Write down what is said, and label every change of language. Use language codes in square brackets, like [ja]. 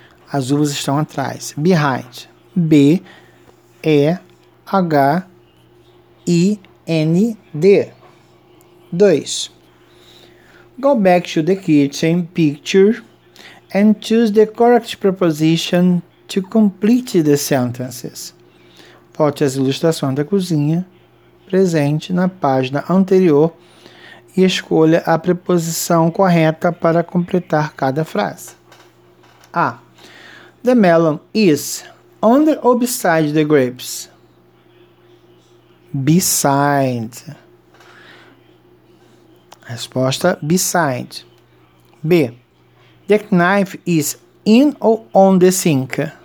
[pt] As uvas estão atrás. Behind. B-E-H-I-N-D. 2. [en] Go back to the kitchen picture and choose the correct preposition to complete the sentences. [pt] Volte às ilustrações da cozinha presente na página anterior e escolha a preposição correta para completar cada frase. A. [en] The melon is on the beside the grapes. Beside. Resposta, beside. B. The knife is in or on the sink?